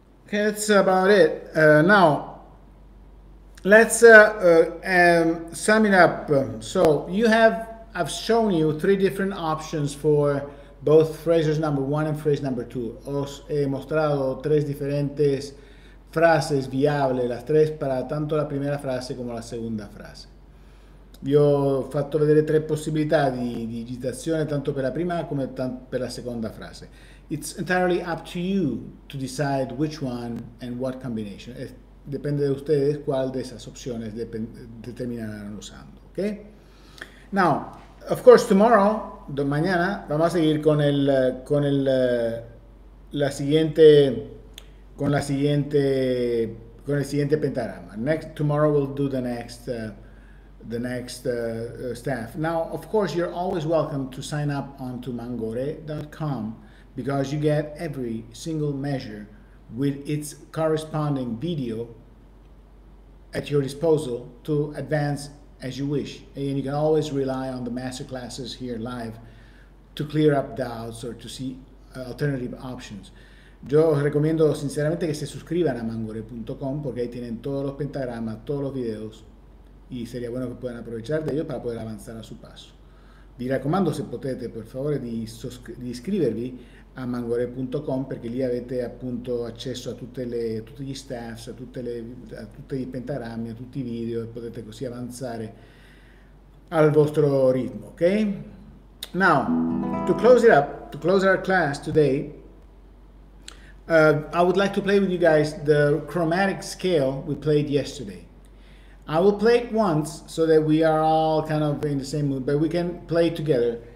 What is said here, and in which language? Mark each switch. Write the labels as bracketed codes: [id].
[en] that's about it. Now, let's sum it up. So you have, I've shown you three different options for both phrases number one and phrase number two. [es] Os he mostrado tres diferentes frases viables, las tres para tanto la primera frase como la segunda frase. [it] Vi ho fatto vedere tre possibilità di digitazione tanto per la prima come per la seconda frase. [en] It's entirely up to you to decide which one and what combination. [es] Depende de ustedes cuál de esas opciones determinarán usando. Okay? [en] Now, of course, tomorrow, [es] mañana, vamos a seguir con el siguiente pentagrama. [en] Next tomorrow we'll do the next staff. Now, of course, you're always welcome to sign up onto mangore.com because you get every single measure with its corresponding video at your disposal to advance as you wish. And you can always rely on the master classes here live to clear up doubts or to see alternative options. [es] Yo recomiendo sinceramente que se suscriban a mangore.com porque ahí tienen todos los pentagramas, todos los videos, y sería bueno que puedan aprovechar de ellos para poder avanzar a su paso. [it] Vi raccomando, se potete, [es] por favor, [it] di iscrivervi a mangore.com perché lì avete appunto accesso a tutti gli staffs, a tutti i pentagrammi, a tutti i video, e potete così avanzare al vostro ritmo, ok? [en] Now, to close it up, to close our class today, I would like to play with you guys the chromatic scale we played yesterday. I will play it once so that we are all kind of in the same mood, but we can play it together.